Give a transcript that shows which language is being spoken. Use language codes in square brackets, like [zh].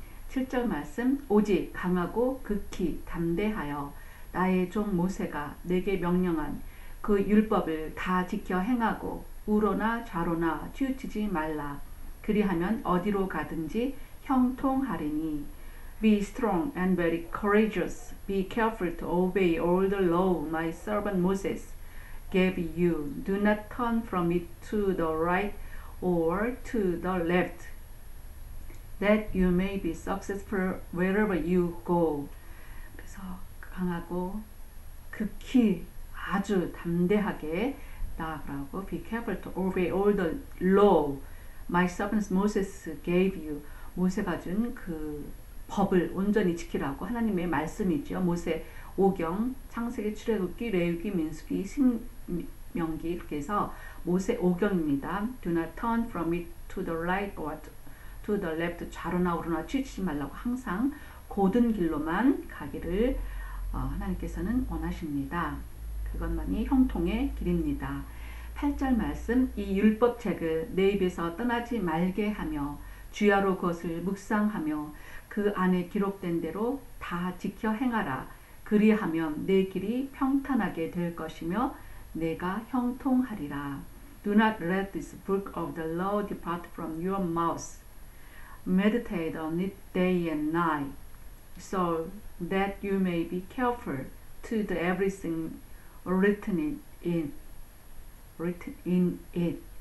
[ko] 7절 말씀, 오직 강하고 극히 담대하여 나의 종 모세가 내게 명령한 그 율법을 다 지켜 행하고 우러나 좌로나 치우치지 말라. 그리하면 어디로 가든지 형통하리니. [en] Be strong and very courageous. Be careful to obey all the law my servant Moses gave you. Do not turn from it to the right or to the left, that you may be successful wherever you go. [ko] 그래서 강하고 극히 아주 담대하게 나아가라고 [en] Be careful to obey all the law my servant Moses gave you. [ko] 모세가 준그 법을 온전히 지키라고 하나님의 말씀이죠. 모세 오경, 창세기, 출애굽기, 레위기, 민수기, 신명기 이렇게 해서 모세 오경입니다. [en] Do not turn from it to the right or to the left. [ko] 좌로나 우로나 치우치지 말라고 항상 곧은 길로만 가기를 하나님께서는 원하십니다. 그것만이 형통의 길입니다. 8절 말씀, 이 율법책을 내 입에서 떠나지 말게 하며 주야로 그것을 묵상하며 그 안에 기록된 대로 다 지켜 행하라. 그리하면 내 길이 평탄하게 될 것이며 내가 형통하리라. [en] Do not let this book of the law depart from your mouth. Meditate on it day and night, so that you may be careful to do everything written in it.